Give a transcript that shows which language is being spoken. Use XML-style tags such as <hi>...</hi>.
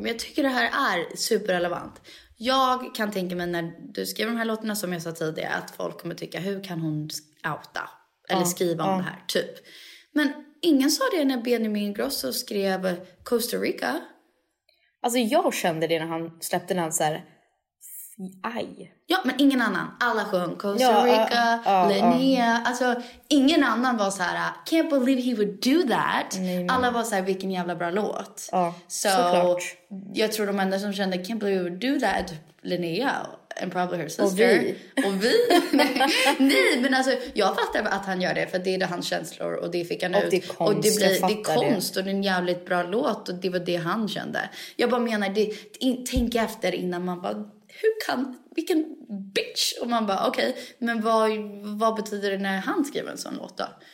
<sv>Men jag tycker det här är superrelevant. Jag kan tänka mig när du skriver de här låtarna, som jag sa tidigare, att folk kommer tycka, hur kan hon outa? Eller skriva om det här, typ. Men ingen sa det när Benjamin Grosso skrev Costa Rica. Alltså jag kände det när han släppte den så här, aj. Ja, men ingen annan. Alla sjöng Costa Rica, Linnea. Alltså, ingen annan var så här,</sv> <en>can't believe he would do that.</en> <sv>Nej. Alla var så här, vilken jävla bra låt. Så jag tror de enda som kände,</sv> <en>can't believe he would do that, Linnea and probably her sister.</en> <sv>Och vi. Nej, men alltså, jag fattar att han gör det, för det är det hans känslor och det fick han och ut. Det och det blir det är konst och det är en jävligt bra låt och det var det han kände. Jag bara menar, tänk efter innan man bara, hur kan, vilken bitch, och man bara okej, men vad betyder det när han skriver en sån låt då?</sv>